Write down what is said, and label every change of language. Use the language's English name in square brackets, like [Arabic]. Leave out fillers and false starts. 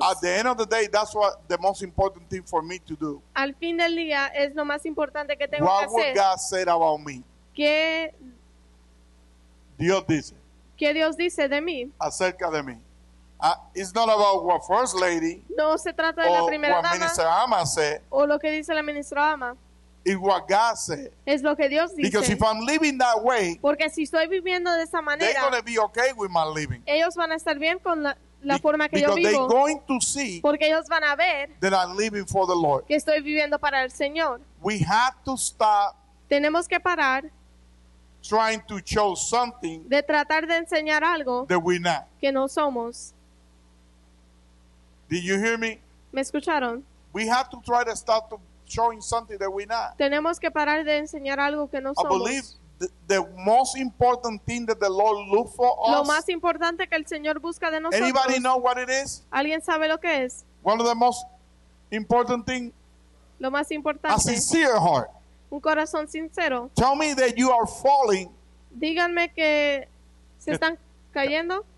[English] At the end of the day, that's what the most important thing for me to do. [Spanish] Al fin del día, es lo más importante que tengo [English] what [Spanish] que hacer. [English] What would God say about me? [Spanish] ¿Qué Dios dice? ¿Qué Dios dice de mí? Acerca de mí. [English] It's not about what First Lady. [Spanish] No se trata de la primera dama. [English] O Minister Ama said. [Spanish] O lo que dice la ministra Ama. [English] It's what God said. [Spanish] Es lo que Dios dice. [English] Because if I'm living that way. [Spanish] Porque si estoy viviendo de esa manera. [English] They're going to be okay with my living. [Spanish] Ellos van a estar bien con la. La forma que [English] because [Spanish] yo vivo, [English] they're going to see [Spanish] porque ellos van a ver [English] that I'm living for the Lord. [Spanish] Que estoy viviendo para el Señor. [English] We have to stop [Spanish] tenemos que parar [English] trying to show something [Spanish] de tratar de enseñar algo [English] that we're not. [Spanish] Que no somos. [English] Did you hear me? [Spanish] ¿Me escucharon? [English] We have to try to stop to showing something that we're not. [Spanish] Tenemos que parar de enseñar algo que no [English] I [Spanish] somos. [English] Believe the most important thing that the Lord looks for us. [Spanish] Lo más importante que el Señor busca de nosotros. [English] Anybody know what it is? [Spanish] ¿Alguien sabe lo que es? [English] One of the most important thing. [Spanish] Lo más importante. [English] A sincere heart. [Spanish] Un corazón sincero. [English] Tell me that you are falling. [Spanish] Díganme que se están cayendo.